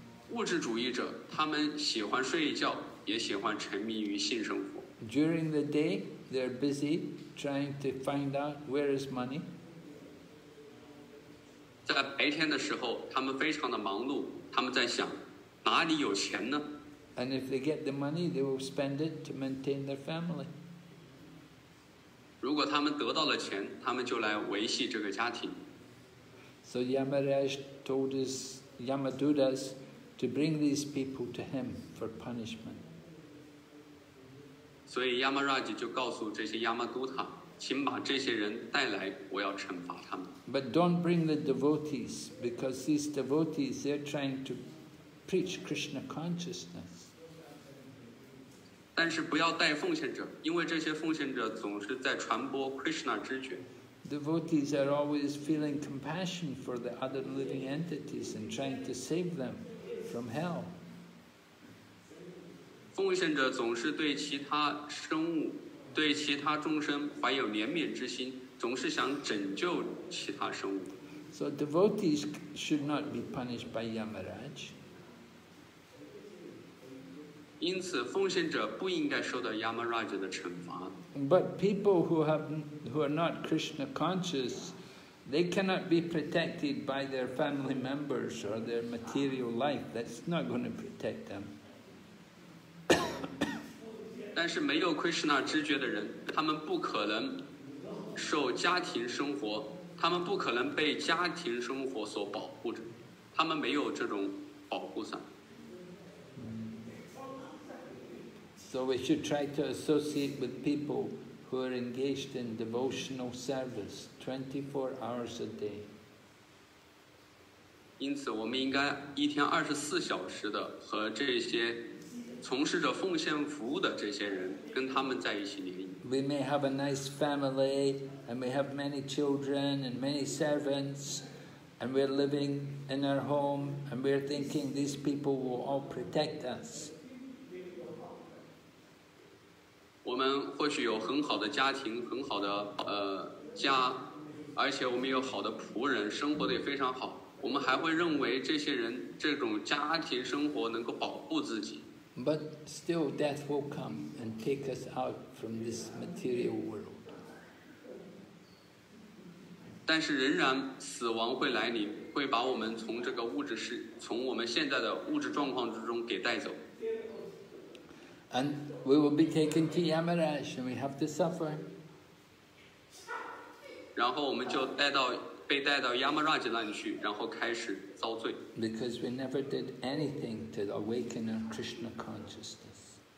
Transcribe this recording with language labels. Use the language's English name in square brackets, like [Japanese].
[Chinese] 物质主义者，他们喜欢睡觉，也喜欢沉迷于性生活。 [English] During the day, they're busy trying to find out where is money. [Chinese] 在白天的时候，他们非常的忙碌，他们在想，哪里有钱呢 [English] ？And if they get the money, they will spend it to maintain their family. [Chinese] 如果他们得到了钱，他们就来维系这个家庭。 [English] So Yamaraj told his Yamadutas to bring these people to him for punishment. [Chinese] 所以 Yamaraj 就告诉这些 Yamaduta。请把这些人带来，我要惩罚他们。 [English] But don't bring the devotees, because these devotees they're trying to preach Krishna consciousness. [Chinese] 但是不要带奉献者，因为这些奉献者总是在传播 Krishna 知觉。 [English] Devotees are always feeling compassion for the other living entities and trying to save them from hell. [Chinese] 奉献者总是对其他生物、对其他众生怀有怜悯之心，总是想拯救其他生物。 [English] So devotees should not be punished by Yamaraj. [Chinese] 因此，奉献者不应该受到 Yamaraj 的惩罚。 [English] But people who are not Krishna conscious, they cannot be protected by their family members or their material life. That's not going to protect them. [Chinese] 但是没有 Krishna 知觉的人，他们不可能受家庭生活，他们不可能被家庭生活所保护着，他们没有这种保护伞。 [English] So we should try to associate with people who are engaged in devotional service 24 hours a day. [Chinese] 因此我们应该一天24小时的和这些从事着奉献服务的这些人跟他们在一起联谊。 [English] We may have a nice family and we have many children and many servants and we're living in our home and we're thinking these people will all protect us. [Chinese] 我们或许有很好的家庭，很好的家，而且我们有好的仆人，生活得也非常好。我们还会认为这些人这种家庭生活能够保护自己。 [English] But still, death will come and take us out from this material world. [Chinese] 但是仍然死亡会来临，会把我们从这个物质世，从我们现在的物质状况之中给带走。 [English] And we will be taken to Yamaraj, and we have to suffer. [Chinese] 然后我们就被带到 Yamaraj 那里去，然后开始遭罪。 [English] Because we never did anything to awaken our Krishna consciousness.